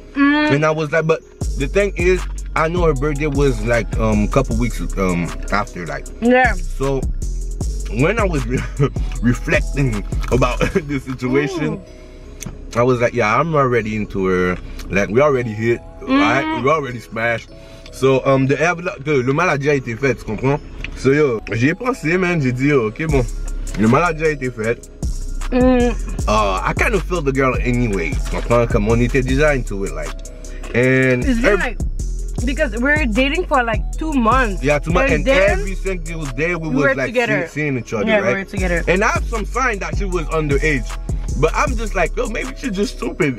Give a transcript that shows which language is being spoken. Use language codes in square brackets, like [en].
[en] And I was like, but the thing is, I know her birthday was like a couple weeks after, like. Yeah. So when I was reflecting about the situation, I was like, yeah, I'm already into her. Like, we already hit. Right, we already smashed. [fr] So le mal a déjà été fait, tu comprends? So yo, j'y ai pensé, man. J'ai dit, ok, bon, le mal a déjà été fait. [en] I kind of feel the girl anyway, [fr] tu comprends? Comme on était déjà [en] into it, like. And it's been because we're dating for like 2 months. Yeah, 2 months. And every single day we were seeing each other. Yeah, right? We were together. And I have some sign that she was underage. But I'm just like, yo, maybe she's just stupid.